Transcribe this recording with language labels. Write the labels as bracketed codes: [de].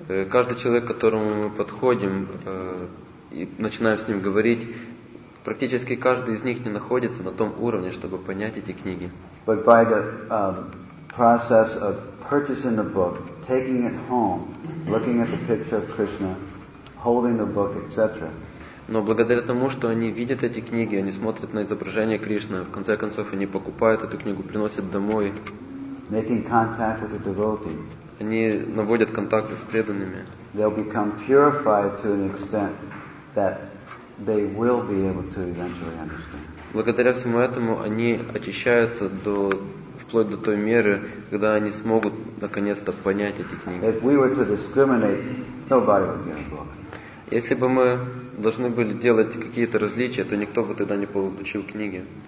[ru] Каждый человек, к которому мы подходим и начинаем с ним говорить, практически каждый из них не находится на том уровне, чтобы понять эти книги. [en] But by the process of purchasing the book, taking it home, looking at the picture of Krishna, holding the book, etc. [ru] Но благодаря тому, что они видят эти книги, они смотрят на изображение Кришны, в конце концов они покупают эту книгу, приносят домой. [en] Making contact with a devotee. [ru] они наводят контакты с преданными. [en] They'll become purified to an extent that they will be able to eventually understand. [ru] Благодаря всему этому они очищаются до вплоть до той меры, когда они смогут наконец-то понять эти книги. [en] If we were to discriminate, nobody would get a book. [ru] Если бы мы должны были делать какие-то различия, то никто бы тогда не получил книги.